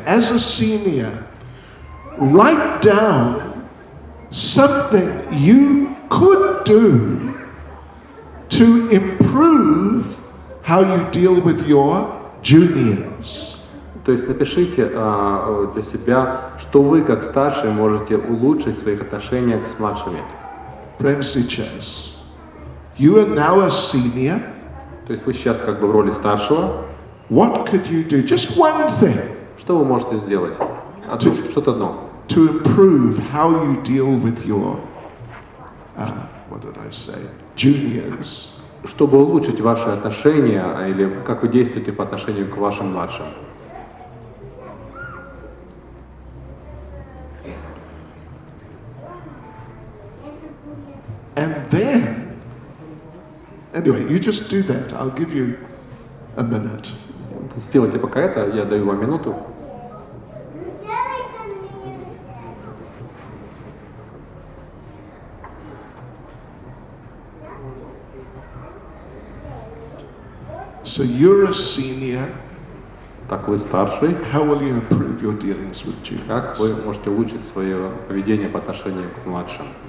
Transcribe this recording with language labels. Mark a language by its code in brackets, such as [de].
[en] As a senior, write down something you could do to improve how you deal with your juniors. [ru] То есть напишите для себя, что вы как старший можете улучшить своих отношениях с младшими. [en] Prem Sichas, you are now a senior. [ru] То есть вы сейчас как бы в роли старшего. [en] What could you do? Just one thing. [ru] Что вы можете сделать? Что-то одно. [en] To improve how you deal with your, what did I say, juniors. [ru] Чтобы улучшить ваши отношения или как вы действуете по отношению к вашим младшим. [en] And then, anyway, you just do that. I'll give you a minute. [ru] Сделайте пока это, я даю вам минуту. [en] So you're a senior. [ru] Так вы старший. [en] How will you improve your dealings with juniors? [ru] Как вы можете улучшить свое поведение по отношению к младшим?